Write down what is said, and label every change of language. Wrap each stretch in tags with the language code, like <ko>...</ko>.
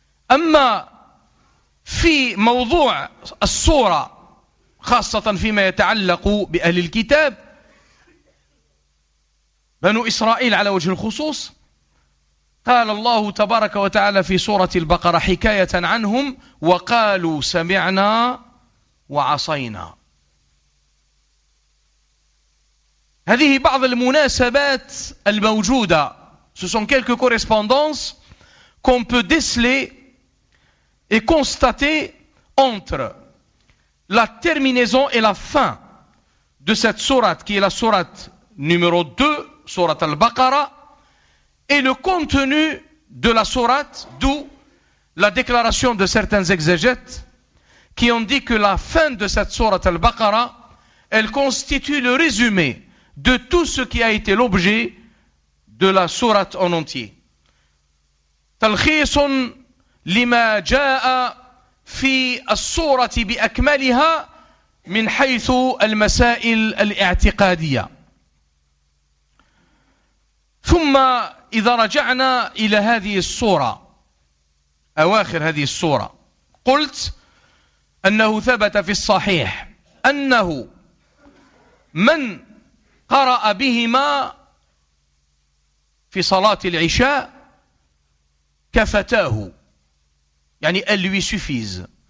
<ar>أما في موضوع السورة خاصة فيما يتعلق بأهل الكتاب بنو إسرائيل على وجه الخصوص, قال الله تبارك وتعالى في سورة البقرة حكاية عنهم وقالوا سمعنا وعصينا. هذه بعض المناسبات الموجودة.</ar> <fr>Ce sont quelques correspondances qu'on peut déceler et constater entre la terminaison et la fin de cette sourate, qui est la sourate numéro 2, sourate al-Baqara, et le contenu de la sourate, d'où la déclaration de certains exégètes qui ont dit que la fin de cette sourate al-Baqara, elle constitue le résumé de tout ce qui a été l'objet de la sourate en entier.</fr> <ar>Talkhisun lima ja'a في الصورة بأكملها من حيث المسائل الاعتقادية. ثم إذا رجعنا إلى هذه الصورة أواخر هذه الصورة قلت أنه ثبت في الصحيح أنه من قرأ بهما في صلاة العشاء كفتاه, يعني اللي يسفيز.</ar>